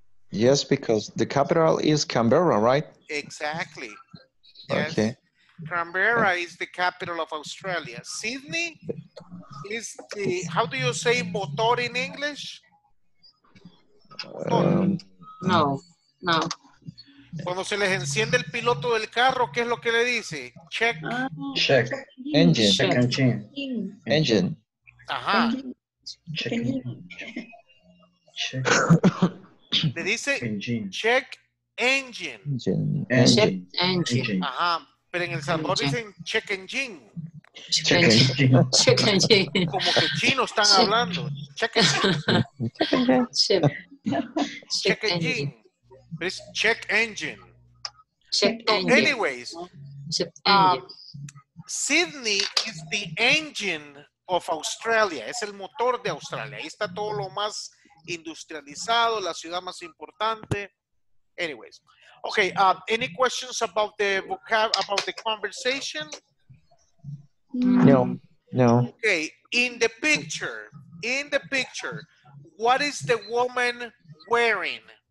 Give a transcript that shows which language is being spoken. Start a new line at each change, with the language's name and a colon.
English: Yes, because the capital is Canberra, right? Exactly. Yes. Okay. Canberra is the capital of Australia. Sydney is the, how do you say motor in English? No.
Spanish: Cuando se les enciende el piloto del carro, ¿qué es lo que le dice?
English: Check. Check. Engine. Check engine. Engine.
Spanish: Ajá.
English: Check.
Spanish: Le dice engine. Check engine.
English: Engine. Check engine.
Spanish: Ajá. Pero en El Salvador dicen
English: check engine. Check engine. Check engine.
Spanish: Como que chinos están
English: check.
Spanish: Hablando.
English: Check engine. Check. Check engine. But it's check engine. Check engine. Anyways. Check engine. Sydney is the engine of Australia.
Spanish: Es el motor de Australia. Ahí está todo lo más industrializado, la ciudad más importante.
English: Anyways. Okay, any questions about the vocab, about the conversation? No. Okay, in the picture, what is the woman wearing?